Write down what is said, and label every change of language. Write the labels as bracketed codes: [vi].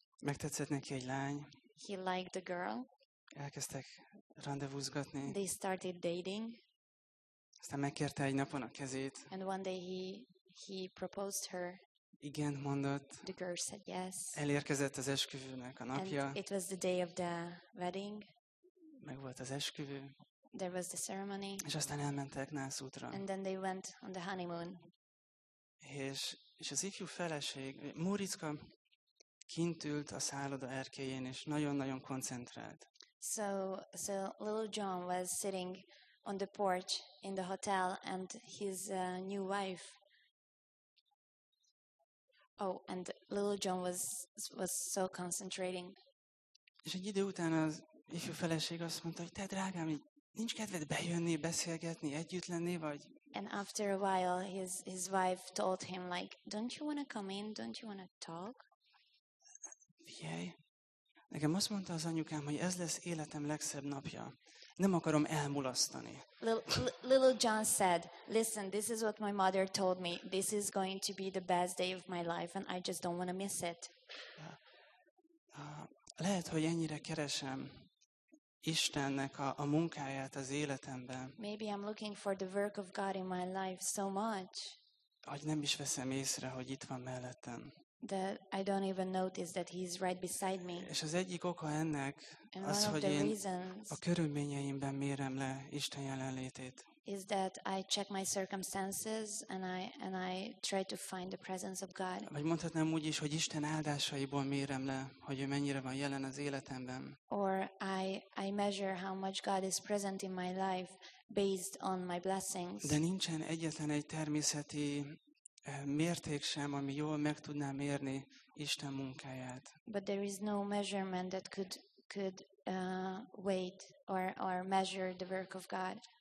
[hu] Megtetszett neki egy lány. [en] He liked the girl. [hu] Elkezdtek randevúzgatni. [en] They started dating. [hu] Aztán megkérte egy napon a kezét. [en] And one day he proposed her. [hu] Igen mondott. [en] The girl said yes. [hu] Elérkezett az esküvőnek a napja. [en] And it was the day of the wedding. [hu] Meg volt az esküvő. [en] There was the ceremony. [hu] És aztán elmentek Nász útra. [en] And then they went on the honeymoon. [hu] És az ifjú feleség, Móriczka kint ült a szálloda erkélyén, és nagyon-nagyon koncentrált. [en] So little John was sitting on the porch in the hotel, and his new wife. Oh, and little John was so concentrating. [hu] És egy idő után az ifjú feleség azt mondta, hogy te drágám, nincs kedved bejönni, beszélgetni, együtt lenni, vagy? [en] And after a while, his wife told him, like, don't you want to come in? Don't you want to talk? [hu] Figyelj, nekem azt mondta az anyukám, hogy ez lesz életem legszebb napja. Nem akarom elmulasztani. [en] Little John said, listen, this is what my mother told me. This is going to be the best day of my life, and I just don't want to miss it. [hu] Lehet, hogy ennyire keresem Istennek a munkáját az életemben. [en] Maybe I'm looking for the work of God in my life so much. [hu] Hogy nem is veszem észre, hogy itt van mellettem. [en] That I don't even notice that he's right beside me. [hu] És az egyik oka ennek az, hogy én a körülményeimben mérem le Isten jelenlétét. [en] Is that I check my circumstances and I try to find the presence of God. [hu] Vagy mondhatnám úgy is, hogy Isten áldásaiból mérem le, hogy ő mennyire van jelen az életemben. [en] Or I measure how much God is present in my life based on my blessings. [hu] De nincsen egyetlen egy természeti mérték sem, ami jól meg tudná mérni Isten munkáját. [en] But there is no measurement that could weigh or measure the work of God.